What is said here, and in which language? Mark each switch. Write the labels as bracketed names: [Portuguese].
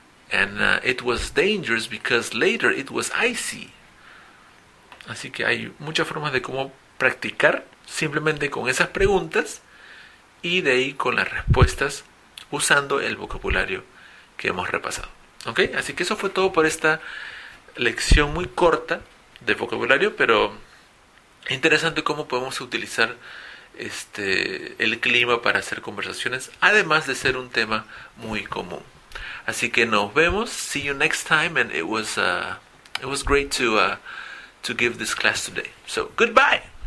[English] And it was dangerous because later it was icy. [Spanish] Así que hay muchas formas de cómo practicar. Simplemente con esas preguntas y de ahí con las respuestas usando el vocabulario que hemos repasado. ¿Ok? Así que eso fue todo por esta lección muy corta de vocabulario, pero interesante cómo podemos utilizar el clima para hacer conversaciones, además de ser un tema muy común. Así que nos vemos. [English] See you next time, and it was great to give this class today. So, goodbye.